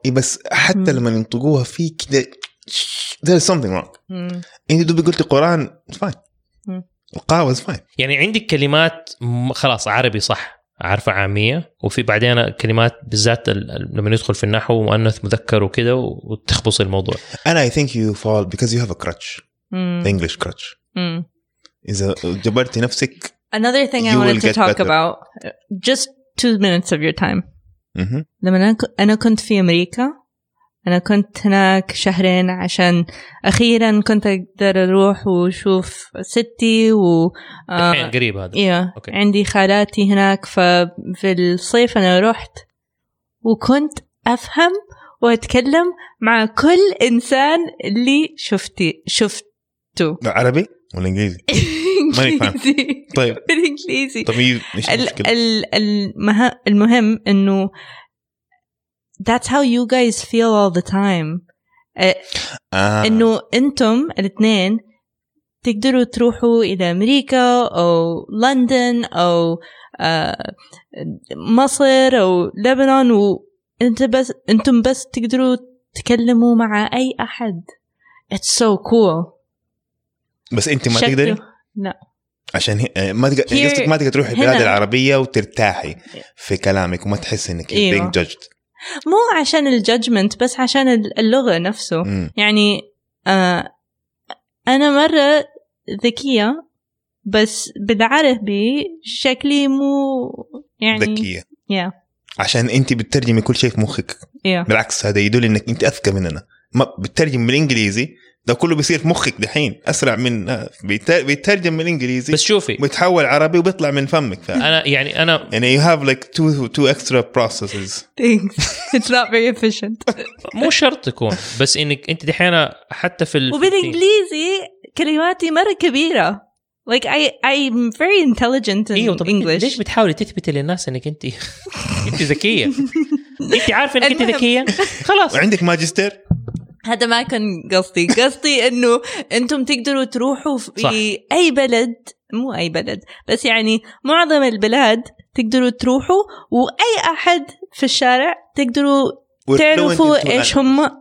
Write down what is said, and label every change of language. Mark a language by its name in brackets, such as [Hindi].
[Arabic] اي بس حتى لما ينطقوها في كده [English] there's something wrong [Arabic] انت دوبي قلت القران فاين القاوز فاين يعني عندك كلمات خلاص عربي صح عارفة عامية، وفي بعدين كلمات بالذات لما يدخل في النحو مؤنث مذكر وكده وتخبص الموضوع. [English] And I think you fall because you have a crutch. English crutch. [Arabic] إذا جبرتي نفسك. [English] Another thing I wanted to talk about. Just 2 minutes of your time. [Arabic] لما أنا كنت في أمريكا، أنا كنت هناك شهرين عشان أخيرا كنت أقدر أروح وشوف ستي و قريب هذا. [English] Yeah. Okay. [Arabic] عندي خالاتي هناك، ففي الصيف أنا روحت وكنت أفهم وأتكلم مع كل إنسان اللي شفته. عربي ولا إنجليزي؟ إنجليزي. طيب. بالإنجليزي. طيب إيش المشكلة؟ المهم إنه [English] That's how you guys feel all the time. [Arabic] إنه أنتم الاثنين تقدروا تروحوا إلى أمريكا أو لندن أو مصر أو لبنان، وأنتم بس تقدروا تكلموا مع أي أحد. [English] It's so cool. [Arabic] بس أنت ما تقدري؟ لا. عشان ما تقدر تروحي البلاد العربية وترتاحي في كلامك وما تحس إنك [English] being judged. [Arabic] مو عشان الجادجمنت، بس عشان اللغة نفسه. يعني أنا مرة ذكية بس بالعربي شكلي مو يعني ذكية. Yeah. عشان أنت بتترجمي كل شيء في مخك. Yeah. بالعكس، هذا يدل أنك أنت أذكى مننا. ما بتترجم بالإنجليزي، ده كله بيصير في مخك دحين أسرع من بيترجم من إنجليزي. بس شوفي، بيتحول عربي وبيطلع من فمك. أنا يعني [English] you have like two extra processes. Thanks. It's not very efficient. [Arabic] مو شرط تكون، بس إنك أنت دحين حتى في وبالإنجليزي كلماتي مرة كبيرة. [English] Like I'm very intelligent in English. [Arabic] ليش بتحاولي تثبتي للناس إنك أنت ذكية؟ أنت عارفة إنك أنت ذكية؟ خلاص. وعندك ماجستير؟ هذا ما كان قصدي انه انتم تقدروا تروحوا في صح. اي بلد، مو اي بلد بس يعني معظم البلاد تقدروا تروحوا، واي احد في الشارع تقدروا تعرفوا ايش هم.